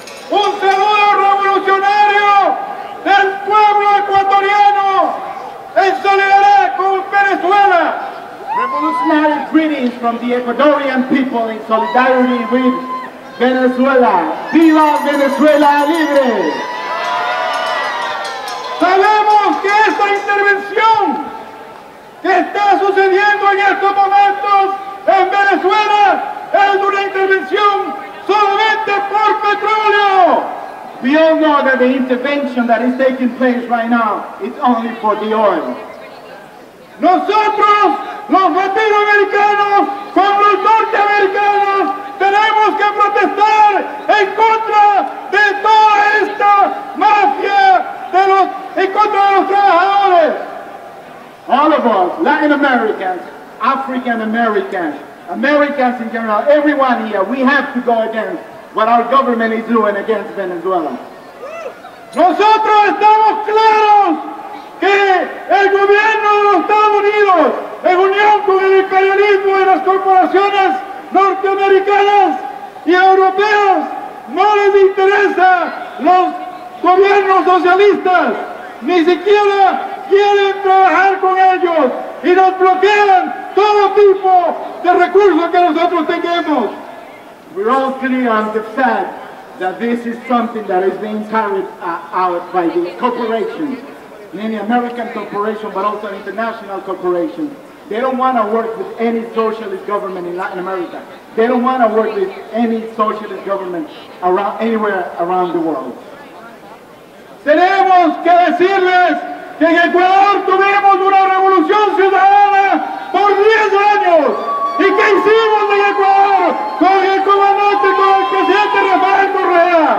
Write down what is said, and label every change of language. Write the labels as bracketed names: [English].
[Spanish] Un saludo revolucionario del pueblo ecuatoriano en solidaridad con Venezuela. [English] Revolutionary greetings from the Ecuadorian people in solidarity with Venezuela. [Spanish] ¡Viva Venezuela libre! Sabemos que esta intervención que está sucediendo en estos momentos en Venezuela es una intervención solamente por petróleo. [English] We all know that the intervention that is taking place right now is only for the oil. [Spanish] Nosotros, los latinoamericanos, como los norteamericanos, tenemos que protestar en contra de toda esta mafia de los, en contra de los trabajadores. [English] All of us, Latin Americans, African Americans, Americans in general, everyone here, we have to go against what our government is doing against Venezuela. [Spanish] Nosotros estamos claros que el gobierno de los Estados Unidos, en unión con el imperialismo de las corporaciones norteamericanas y europeas, no les interesa los gobiernos socialistas, ni siquiera quieren trabajar con ellos y nos bloquean todo tipo de recursos que nosotros tenemos. [English] We're all clear on the fact that this is something that is being carried out by the corporations, many American corporations, but also international corporations. They don't want to work with any socialist government in Latin America. They don't want to work with any socialist government around anywhere around the world. [Spanish] Tenemos que decirles que en Ecuador tuvimos una revolución ciudadana por 10 años. ¿Y qué hicimos en Ecuador con el comandante, con el presidente Rafael Correa?